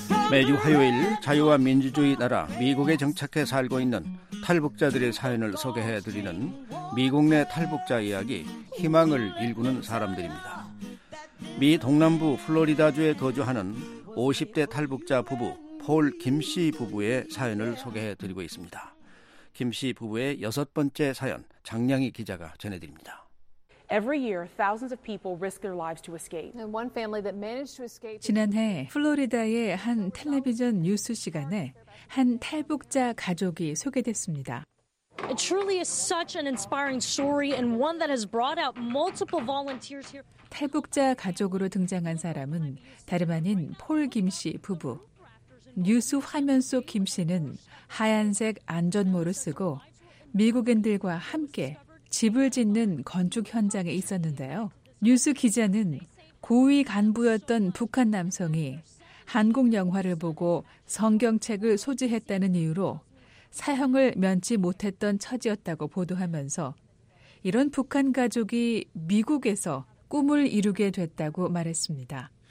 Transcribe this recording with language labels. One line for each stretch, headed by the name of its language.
Korean: 매주 화요일 자유와 민주주의 나라 미국에 정착해 살고 있는 탈북자들의 사연을 소개해드리는 미국 내 탈북자 이야기 희망을 일구는 사람들입니다. 미 동남부 플로리다주에 거주하는 50대 탈북자 부부 폴 김씨 부부의 사연을 소개해드리고 있습니다. 김씨 부부의 여섯 번째 사연 장량희 기자가 전해드립니다.
English: Every year, thousands of people risk their lives to escape. And one family that managed to escape.
Korean: 지난해 플로리다의 한 텔레비전 뉴스 시간에 한 탈북자 가족이 소개됐습니다.
English: It truly is such an inspiring story and one that has brought out multiple volunteers here.
Korean: 탈북자 가족으로 등장한 사람은 다름 아닌 폴 김 씨 부부. 뉴스 화면 속 김 씨는 하얀색 안전모를 쓰고 미국인들과 함께 집을 짓는 건축 현장에 있었는데요. 뉴스 기자는 고위 간부였던 북한 남성이 한국 영화를 보고 성경책을 소지했다는 이유로 사형을 면치 못했던 처지였다고 보도하면서 이런 북한 가족이 미국에서 꿈을 이루게 됐다고 말했습니다.